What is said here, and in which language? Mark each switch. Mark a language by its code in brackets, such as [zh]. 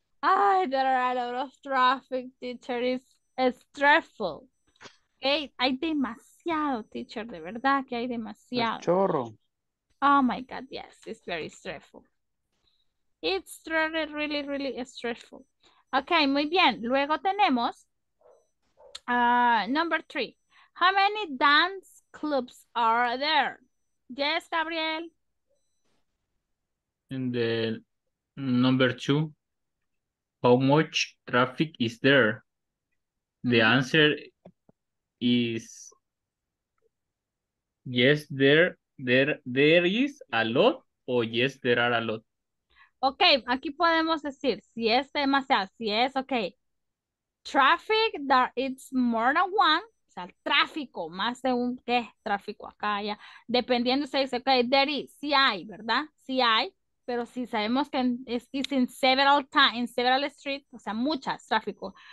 [en] Ay, there are a lot of traffic, teacher. It's stressful. [es] Okay, hay demasiado, teacher, de verdad que hay demasiado. El chorro. [en] Oh my God, yes, it's very stressful. It's really, really, really stressful. Okay, [es] muy bien. Luego tenemos number three. [en] How many dance clubs are there? Yes, Gabriel. In the number two, how much traffic is there? The answer is yes, there is a lot, or yes, there are a lot. [es] Ok, aquí podemos decir, si es demasiado, si es, ok. [en] Traffic, there is more than one. [es] O sea, tráfico, más de un, ¿qué? Tráfico acá, ya. Dependiendo, se dice, ok, [en] there is, [es] sí hay, ¿verdad? Sí hay, pero si sabemos que es [en] in several times, in several streets, [es] o sea, muchas tráfico.